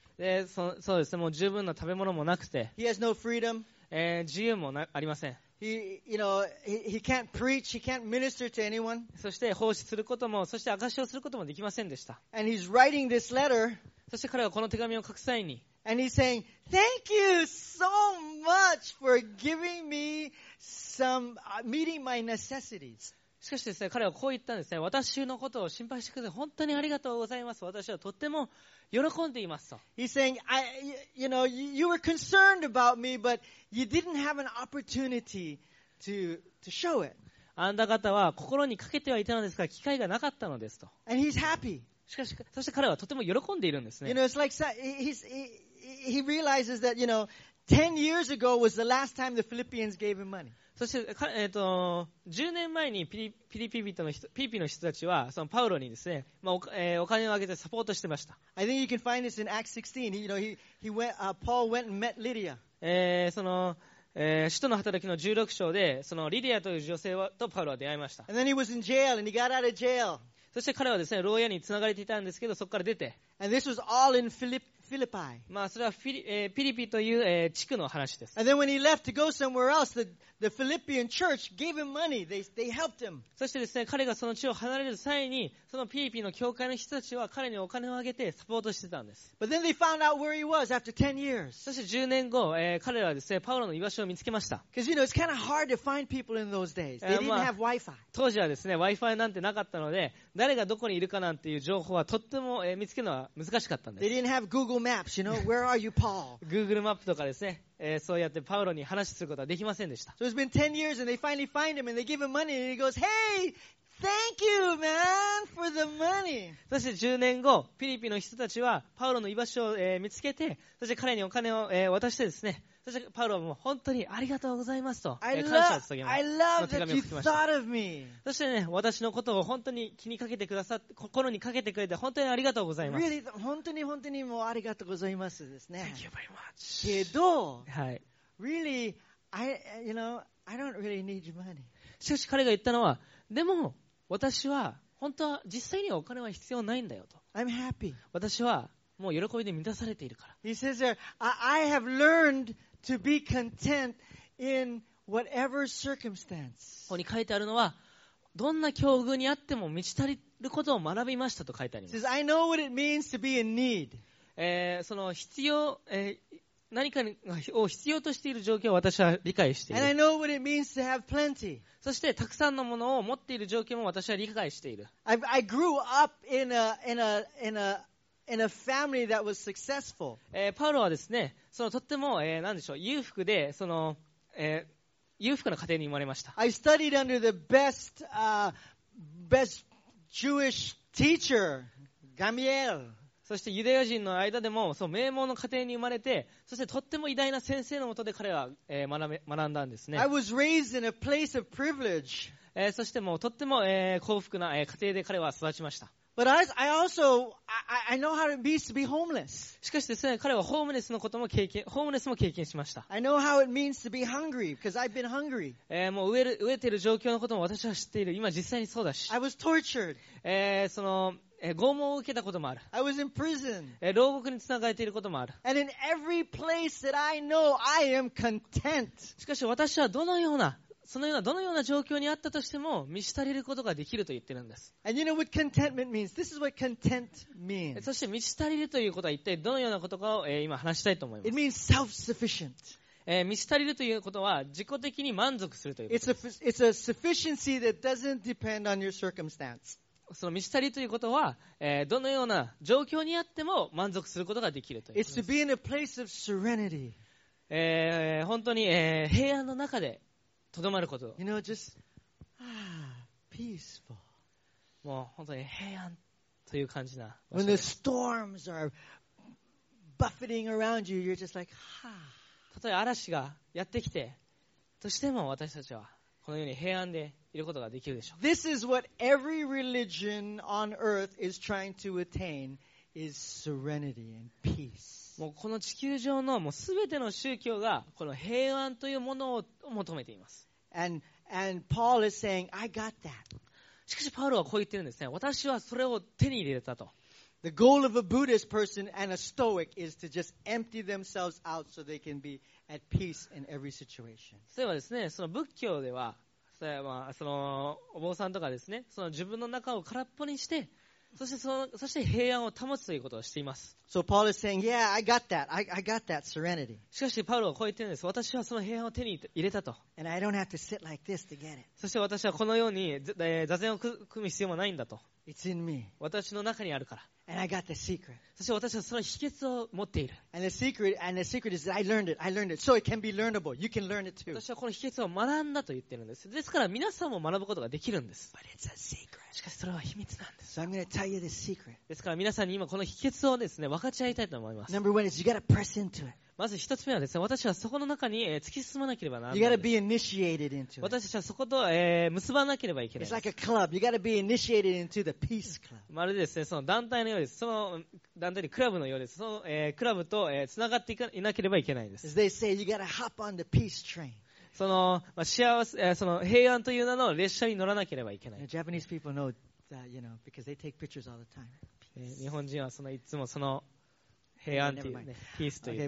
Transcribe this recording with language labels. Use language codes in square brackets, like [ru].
[ja] で、そうですね、もう十分な食べ物もなくて。 [en] He has no freedom. [ja] 自由もありません。 [en] He can't preach, he can't minister to anyone. [ja] そして奉仕することも、そして証しをすることもできませんでした。 [en] And he's writing this letter, [ja] そして彼はこの手紙を書く際に、 [en] And he's saying, Thank you so much for giving me some, meeting my necessities. [ja] しかしですね、彼はこう言ったんですね。私のことを心配してくれて本当にありがとうございます。私はとっても喜んでいますと。 [en] He's saying, you know, you were concerned about me, but you didn't have an opportunity to show it. [ja] あなた方は心にかけてはいたのですが、機会がなかったのですと。 [en] And he's happy. [ja] しかし、そして彼はとても喜んでいるんですね。 [en] You know, it's like he realizes that, you know, 10 years ago was the last time the Philippians gave him money. [ja] そして、10年前にピリピの人たちは、そのパウロにですね、まあ お金をあげてサポートしてました。 [en] I think you can find this in Acts 16. You know, he went, Paul went and met Lydia. [ja] その、使徒の働きの16章で、そのリディアという女性とパウロは出会いました。 [en] And then he was in jail and he got out of jail. [ja] そして彼はですね、牢屋につながれていたんですけど、そこから出て。 [en] And this was all in Philippi. [ja] まあそれはピリピという、地区の話です。 [en] And then when he left to go somewhere else, the Philippian church gave him money. They helped him. [ja] そしてですね、彼がその地を離れる際に、そのピリピの教会の人たちは彼にお金をあげてサポートしてたんです。 [en] But then they found out where he was after 10 years. [ja] そして10年後、彼らはですね、パウロの居場所を見つけました。 [en] Because you know it's kind of hard to find people in those days. They didn't have Wi-Fi. [ja] 当時はですね、Wi-Fi なんてなかったので、誰がどこにいるかなんていう情報はとっても、見つけるのは難しかったんです。 [en] They didn't have Google Maps. You know, where are you, Paul? [ja] Google マップとかですね。そうやってパウロに話することはできませんでした。 [en] So it's been 10 years and they finally find him and they give him money and he goes, Hey, Thank you, man, for the money. [ja] そして10年後、フィリピンの人たちはパウロの居場所を、見つけて、そして彼にお金を、渡してですね、そしてパウロはもう本当にありがとうございますと、感謝を伝えました。そしてね、私のことを本当に気にかけてくださって、心にかけてくれて本当にありがとうございます。 [en] Really? [ja] 本当に本当にもうありがとうございますですね。 [en] Thank you very much. [ja] けど、はい。 [en] Really, I, you know, I don't really need your money. [ja] しかし彼が言ったのは、でも、私は本当は実際にはお金は必要ないんだよと。 [en] I'm happy. [ja] 私はもう喜びで満たされているから。 [en] He says there, I have learned to be content in whatever circumstance. [ja] ここに書いてあるのは、どんな境遇にあっても満ち足りることを学びましたと書いてあります。 [en] He says, I know what it means to be in need. [ja] その必要、何かを必要としている状況を私は理解している。 [en] And I know what it means to have plenty. [ja] そしてたくさんのものを持っている状況も私は理解している。 [en] I grew up in a family that was successful. [ja] パウロはですね、そのとっても、何でしょう、裕福で、その、裕福な家庭に生まれました。 [en] I studied under the best, best Jewish teacher, Gamaliel. [ja] そしてユダヤ人の間でもその名門の家庭に生まれて、そしてとっても偉大な先生のもとで彼は学んだんですね。 [en] I was raised in a place of privilege. [ja] そしてもうとっても幸福な家庭で彼は育ちました。 [en] But I also I know how it means to be homeless. [ja] しかしですね、彼はホームレスのことも経験、ホームレスも経験しました。 [en] I know how it means to be hungry because I've been hungry. [ja] もう飢えている状況のことも私は知っている。今実際にそうだし。 [en] I was tortured. [ja] その拷問を受けたこともある。 [en] I was in prison. [ja] 牢獄につながれていることもある。 [en] And in every place that I know, I am content. [ja] しかし私はどのような、そのような、どのような状況にあったとしても、満ち足りることができると言ってるんです。 [en] And you know what contentment means? This is what content means. [ja] そして満ち足りるということは一体どのようなことかを今話したいと思います。 [en] It means self-sufficient. [ja] 満ち足りるということは自己的に満足するということです。 [en] It's a sufficiency that doesn't depend on your circumstance. [ja] その満ち足りということは、どのような状況にあっても満足することができるということです。 [en] It's to be in a place of serenity. [ja] 本当に、平安の中でとどまること。 [en] You know, just peaceful. [ja] もう本当に平安という感じな。 [en] When the storms are buffeting around you, you're just like, ha. [ja] たとえ嵐がやってきて、としても私たちはこのように平安で。 [en] This is what every religion on earth is trying to attain: is serenity and peace. [ja] もうこの地球上のもうすべての宗教がこの平安というものを求めています。 [en] And Paul is saying, I got that. [ja] しかしパウロはこう言ってるんですね。私はそれを手に入れたと。 [en] The goal of a Buddhist person and a Stoic is to just empty themselves out so they can be at peace in every situation. [ja] 例えばですね、その仏教では。そのお坊さんとかですね、その自分の中を空っぽにして、そして平安を保つということをしています。 [en] So Paul is saying, yeah, I got that. I got that serenity. [ja] しかし、パウロはこう言っているんです。私はその平安を手に入れたと。 [en] And I don't have to sit like this to get it. [ja] そして私はこのように座禅を組む必要もないんだと。 [en] It's in me. [ja] 私の中にあるから。 [en] And I got the secret. [ja] そして私はその秘訣を持っている。 [en] And the secret is that I learned it. I learned it. So it can be learnable. You can learn it too. [ja] 私はこの秘訣を学んだと言ってるんです。ですから皆さんも学ぶことができるんです。 [en] But it's a secret. [ja] しかしそれは秘密なんです。 [en] So I'm going to tell you the secret. [ja] ですから皆さんに今この秘訣をですね、分かち合いたいと思います。 [en] Number one is you got to press into it. [ja] まず一つ目はですね、私はそこの中に突き進まなければならない。 [en] You gotta be initiated into it. [ja] 私はそこと、結ばなければいけない。 [en] It's like a club. You gotta be initiated into the peace club. [ja] まるでですね、その団体のようです。その団体にクラブのようです。その、クラブと、繋がっていなければいけないです。 [en] As they say, you gotta hop on the peace train. [ja] その、まあ、幸せ、その平安という名の列車に乗らなければいけない。 [en] Japanese people know that, you know, because they take pictures all the time. [ja] 日本人はそのいつもその、平安というね、ピースという。